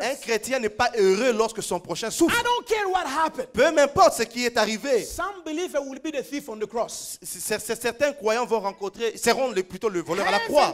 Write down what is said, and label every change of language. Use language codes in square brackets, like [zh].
[fr] Un chrétien n'est pas heureux lorsque son prochain souffre. [en] I don't care what happened. [fr] Peu m'importe ce qui est arrivé. [en] Some believer will be the thief on the cross. [fr] Certains croyants vont rencontrer seront plutôt le voleur à la croix.